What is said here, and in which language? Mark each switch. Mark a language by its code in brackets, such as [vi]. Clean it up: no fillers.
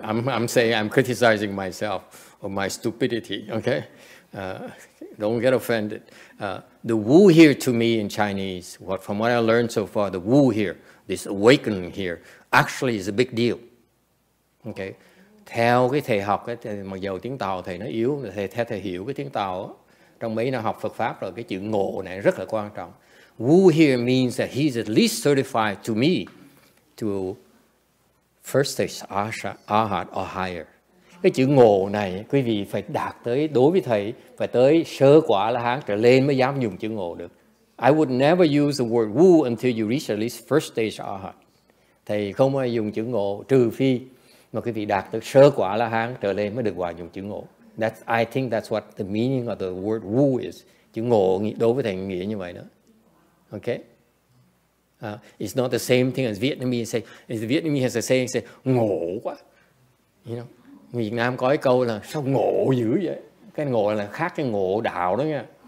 [en] I'm saying I'm criticizing myself or my stupidity, okay? Don't get offended. The wu here to me in Chinese, from what I learned so far, the wu here, this awakening here, actually is a big deal, okay? [vi] Theo cái thầy học ấy, thì mặc dầu tiếng Tàu thầy nó yếu, thầy thầy hiểu cái tiếng Tàu ấy. Trong mấy năm học Phật Pháp rồi, cái chữ ngộ này rất là quan trọng. [en] Wu here means that he's at least certified to me to first stage arhat or higher. [vi] Cái chữ ngộ này quý vị phải đạt tới, đối với thầy, phải tới sơ quả la hán trở lên mới dám dùng chữ ngộ được. [en] I would never use the word wu until you reach at least first stage arhat. [vi] Thầy không ai dùng chữ ngộ trừ phi mà quý vị đạt được sơ quả la hán trở lên mới được dùng chữ ngộ. [en] That's, I think that's what the meaning of the word wu is. [vi] Chữ ngộ đối với thầy nghĩa như vậy đó. [en] Okay? It's not the same thing as Vietnamese say. If the Vietnamese has a saying, say, [vi] ngộ quá. [en] You know? [vi] Việt Nam có cái câu là sao ngộ dữ vậy? Cái ngộ là khác cái ngộ đạo đó nha.